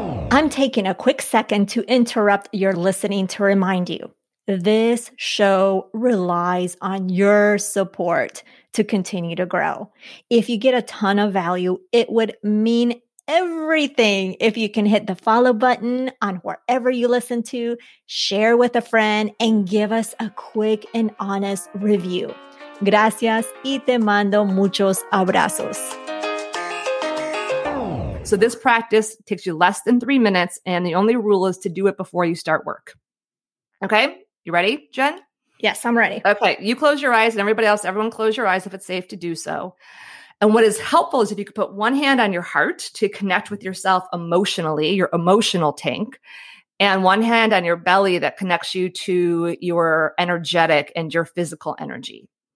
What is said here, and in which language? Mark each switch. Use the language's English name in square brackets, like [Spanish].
[English] I'm taking a quick second to interrupt your listening to remind you, this show relies on your support to continue to grow. If you get a ton of value, it would mean everything if you can hit the follow button on wherever you listen to, share with a friend, and give us a quick and honest review. [Spanish] Gracias y te mando muchos abrazos. [English] So this practice takes you less than 3 minutes, and the only rule is to do it before you start work. Okay? You ready, Jen? Yes, I'm ready. Okay. You close your eyes and everyone close your eyes if it's safe to do so. And what is helpful is if you could put one hand on your heart to connect with yourself emotionally, your emotional tank, and one hand on your belly that connects you to your energetic and your physical energy.